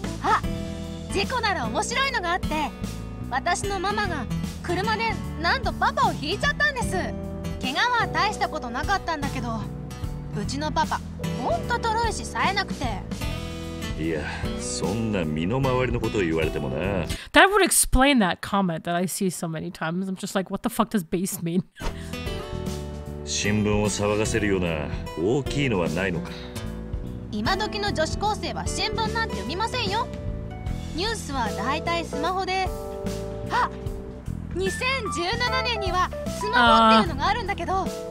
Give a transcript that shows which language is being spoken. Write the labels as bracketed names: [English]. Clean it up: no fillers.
[Japanese] あ、事故なら面白いのがあって、私のママが車で何度パパを引いちゃったんです。怪我は大したことなかったんだけど、うちのパパ、ほんとトロいし冴えなくて。いや、そんな身の回りのことを言われてもな。 [English] That would explain that comment that I see so many times. I'm just like, what the fuck does base mean? [Japanese] 新聞を騒がせるような大きいのはないのか。今時の女子高生は新聞なんて読みませんよ。ニュースはだいたいスマホで。あ、2017年にはスマホっていうのがあるんだけど。